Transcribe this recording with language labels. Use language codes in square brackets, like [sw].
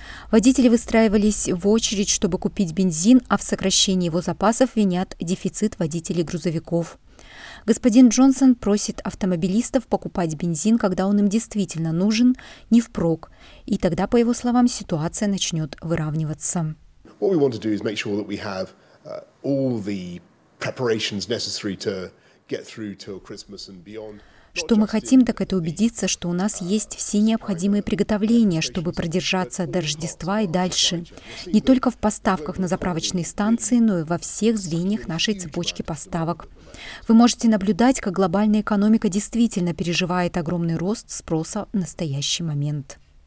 [ru] Водители выстраивались в очередь, чтобы купить бензин, а в сокращении его запасов винят дефицит водителей грузовиков. Господин Джонсон просит автомобилистов покупать бензин, когда он им действительно нужен, не впрок, и тогда, по его словам, ситуация начнет выравниваться. [en] What we want to do is make sure that we have all the preparations necessary to get through till Christmas and beyond. [ru] Что мы хотим, так это убедиться, что у нас есть все необходимые приготовления, чтобы продержаться до Рождества и дальше. Не только в поставках на заправочные станции, но и во всех звеньях нашей цепочки поставок. Вы можете наблюдать, как глобальная экономика действительно переживает огромный рост спроса в настоящий момент.